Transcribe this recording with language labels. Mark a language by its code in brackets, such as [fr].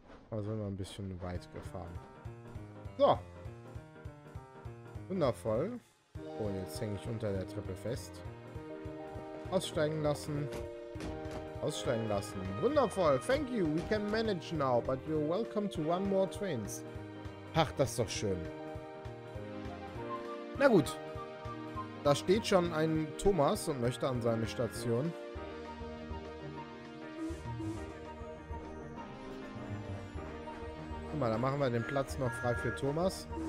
[de] Da sind wir ein bisschen weit gefahren. So. Wundervoll. Oh, jetzt hänge ich unter der Treppe fest. Aussteigen lassen. Aussteigen lassen. Wundervoll. [en] Thank you. We can manage now, but you're welcome to one more trains. [de] Ach, das ist doch schön. Na gut. Da steht schon ein Thomas und möchte an seine Station. Guck mal, da machen wir den Platz noch frei für Thomas.